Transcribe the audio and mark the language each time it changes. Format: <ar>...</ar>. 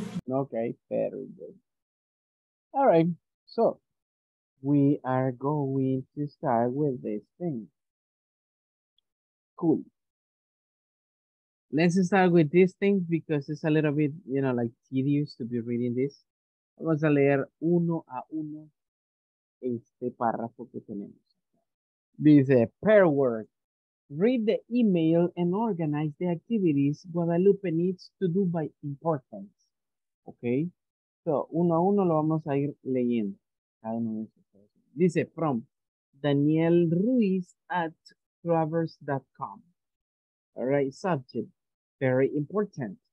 <en>Okay, very good. All right. So we are going to start with this thing. Cool. Let's start with this thing because it's a little bit, you know, like tedious to be reading this.</en> <es>Vamos a leer uno a uno este párrafo que tenemos.</es> <en>Dice, pair work. Read the email and organize the activities Guadalupe needs to do by importance.</en> <es>Okay? So, uno a uno lo vamos a ir leyendo. Cada uno de estos.</es> <en>Dice, from Daniel Ruiz at traverse.com. All right, subject. Very important.</en>